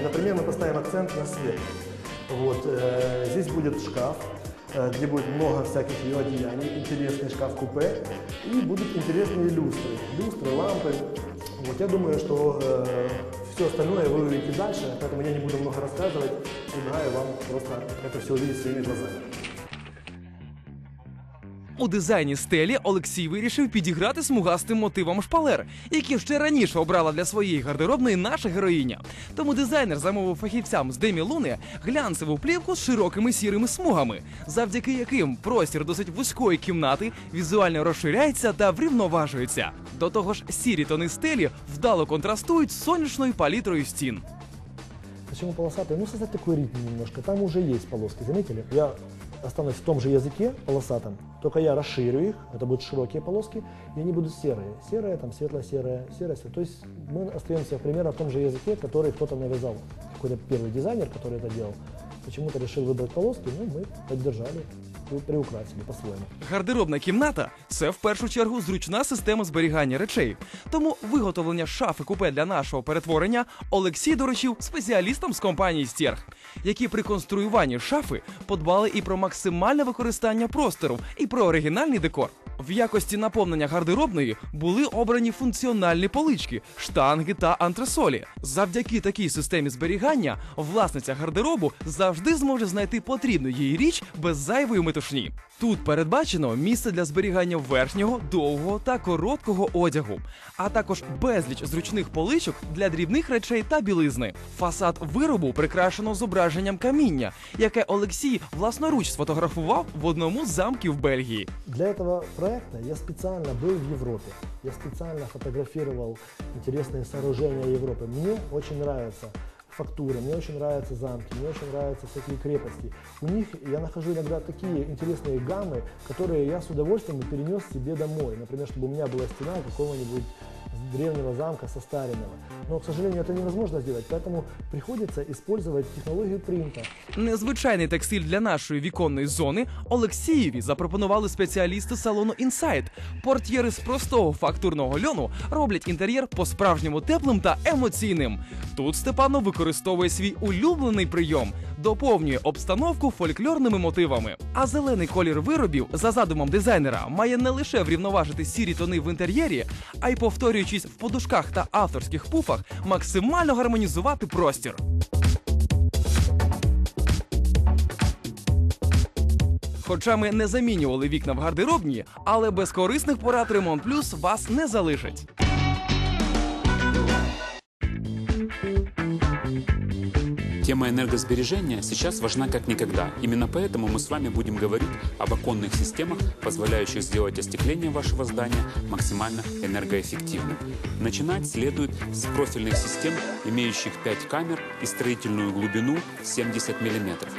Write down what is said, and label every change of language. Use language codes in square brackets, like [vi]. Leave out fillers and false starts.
[ru] Например, мы поставим акцент на свет. Вот, здесь будет шкаф, где будет много всяких ее одеяний, интересный шкаф-купе и будут интересные люстры. Люстры, лампы. Вот, я думаю, что все остальное вы увидите дальше, поэтому я не буду много рассказывать. Предлагаю вам просто это все увидеть своими глазами. [uk] У дизайні стелі Олексій вирішив підіграти смугастим мотивом шпалер, які ще раніше обрала для своєї гардеробної наша героїня. Тому дизайнер замовив фахівцям з Демі Луни глянцеву плівку з широкими сірими смугами, завдяки яким простір досить вузької кімнати візуально розширяється та врівноважується. До того ж, сірі тони стелі вдало контрастують з сонячною палітрою стін. Чому полосатий? Ну, це такий рідний немножко. Там вже є полоски, замітили? [ru] Я... Останусь в том же языке полосатом, только я расширю их, это будут широкие полоски, и они будут серые. Серые, там, светло-серые, серые-серые. То есть мы остаемся примерно в том же языке, который кто-то навязал. Какой-то первый дизайнер, который это делал, почему-то решил выбрать полоски, ну, мы поддержали. Приукрасили по-своєму. [uk] Гардеробна кімната – це в першу чергу зручна система зберігання речей. Тому виготовлення шафи-купе для нашого перетворення Олексій доручив спеціалістам з компанії «Стерх», які при конструюванні шафи подбали і про максимальне використання простору, і про оригінальний декор. В якості наповнення гардеробної були обрані функціональні полички, штанги та антресолі. Завдяки такій системі зберігання власниця гардеробу завжди зможе знайти потрібну їй річ без зайвої метушні. Тут передбачено місце для зберігання верхнього, довгого та короткого одягу, а також безліч зручних поличок для дрібних речей та білизни. Фасад виробу прикрашено зображенням каміння, яке Олексій власноруч сфотографував в одному з замків Бельгії. Для цього проєкту я спеціально був в Європі. Я спеціально фотографував цікаві будівлі Європи. Мені дуже подобається [ru] фактуры, мне очень нравятся замки, мне очень нравятся всякие крепости. У них я нахожу иногда такие интересные гаммы, которые я с удовольствием перенес себе домой. Например, чтобы у меня была стена какого-нибудь древнего замка состаренного. Но, к сожалению, это невозможно сделать, поэтому приходится использовать технологию принта. [uk] Незвичайний текстиль для нашої віконної зони Олексієві запропонували спеціалісти салону Inside. Портьєри з простого фактурного льону роблять інтер'єр по-справжньому теплим та емоційним. Тут Степано використовує свій улюблений прийом, доповнює обстановку фольклорними мотивами. А зелений колір виробів, за задумом дизайнера, має не лише врівноважити сірі тони в інтер'єрі, а й, повторюючись в подушках та авторських пуфах, максимально гармонізувати простір. Хоча ми не замінювали вікна в гардеробні, але без корисних порад Ремонт Плюс вас не залишить. [ru] Тема энергосбережения сейчас важна как никогда. Именно поэтому мы с вами будем говорить об оконных системах, позволяющих сделать остекление вашего здания максимально энергоэффективным. Начинать следует с профильных систем, имеющих 5 камер и строительную глубину 70 мм.